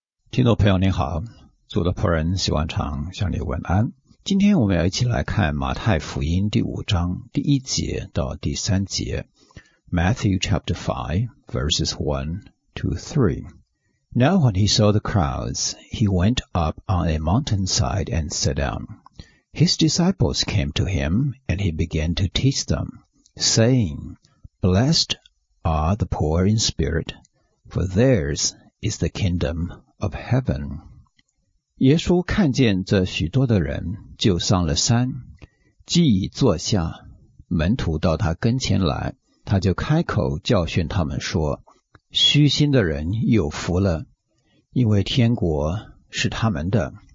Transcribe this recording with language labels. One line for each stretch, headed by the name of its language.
Chinese: 听众朋友您好，主的仆人希望常向你问安。今天我们要一起来看马太福音第五章第一节到第三节。
English: Matthew chapter 5, verses 1 to 3. Now when he saw the crowds, he went up on a mountainside and sat down. His disciples came to him, and he began to teach them, saying, Blessed are the poor in spirit, for theirs is the kingdom of heaven.
Chinese: 耶稣看见这许多的人，就上了山，既已坐下，门徒到他跟前来，他就开口教训他们说，虚心的人有福了，因为天国是他们的。